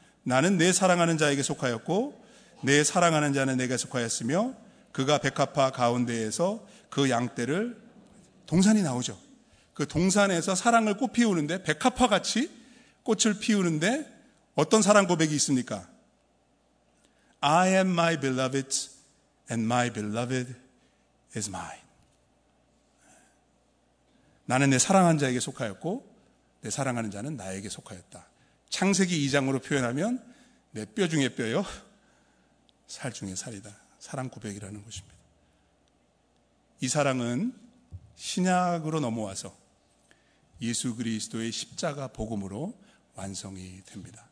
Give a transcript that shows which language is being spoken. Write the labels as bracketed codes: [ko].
[ko] 나는 내 사랑하는 자에게 속하였고 내 사랑하는 자는 내게 속하였으며 그가 백합화 가운데에서 그 양떼를 동산이 나오죠. 그 동산에서 사랑을 꽃피우는데 백합화같이 꽃을 피우는데 어떤 사랑 고백이 있습니까? [en] I am my beloved and my beloved is mine. [ko] 나는 내 사랑하는 자에게 속하였고 내 사랑하는 자는 나에게 속하였다. 창세기 2장으로 표현하면 내 뼈 중에 뼈요. 살 중에 살이다. 사랑 고백이라는 것입니다. 이 사랑은 신약으로 넘어와서 예수 그리스도의 십자가 복음으로 완성이 됩니다.